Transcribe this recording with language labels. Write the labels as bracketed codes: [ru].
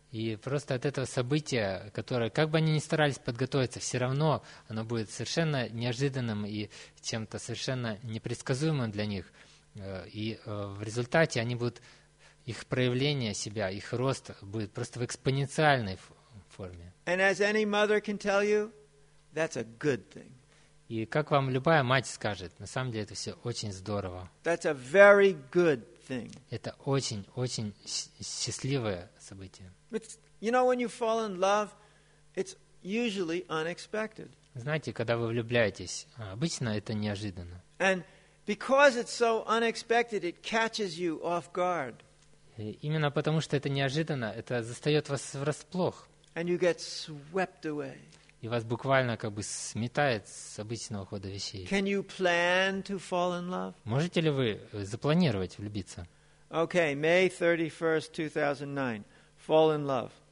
[ru] И просто от этого события, которое, как бы они ни старались подготовиться, все равно оно будет совершенно неожиданным и чем-то совершенно непредсказуемым для них. И в результате они будут, их проявление себя, их рост будет просто в экспоненциальной форме. [en] And as any mother can tell you, that's a good thing. [ru] И как вам любая мать скажет, на самом деле это все очень здорово. [en] That's a very good thing. [ru] Это очень-очень счастливое событие. [en] It's, you know, when you fall in love, it's usually unexpected. [ru] Знаете, когда вы влюбляетесь, обычно это неожиданно. [en] And because it's so unexpected, it catches you off guard. [ru] И именно потому, что это неожиданно, это застает вас врасплох. [en] And you get swept away. [ru] И вас буквально как бы сметает с обычного хода вещей. [en] Can you plan to fall in love? [ru] Можете ли вы запланировать влюбиться? [en] Okay, May 31st, 2009. Fall in love.